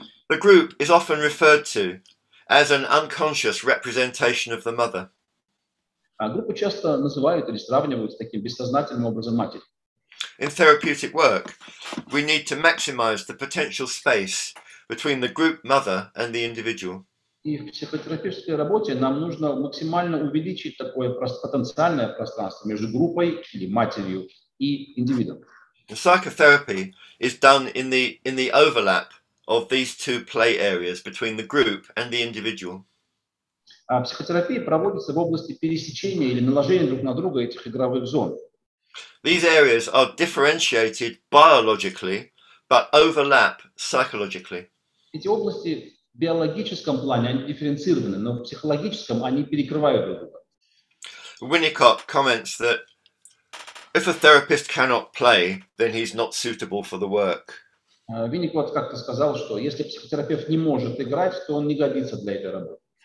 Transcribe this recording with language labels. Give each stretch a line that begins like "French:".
English: The group is often referred to as an unconscious representation of the mother.
Russian: А группу часто называют или сравнивают с таким бессознательным образом матери.
English: In therapeutic work, we need to maximize the potential space between the group mother and the individual.
Russian: И в психотерапевтической работе нам нужно максимально увеличить такое потенциальное пространство между группой или матерью и индивидом.
English: The psychotherapy is done in the overlap of these two play areas between the group and the individual.
Russian: А психотерапия проводится в области пересечения или наложения друг на друга этих игровых зон.
English: These areas are differentiated biologically, but overlap psychologically.
Russian: Эти области в биологическом плане они дифференцированы, но в психологическом они перекрывают друг друга.
English: Winnicott comments that if a therapist cannot play, then he's not suitable for the work.
Russian: Winnicott как-то сказал, что если психотерапевт не может играть, то он не годится для этой работы.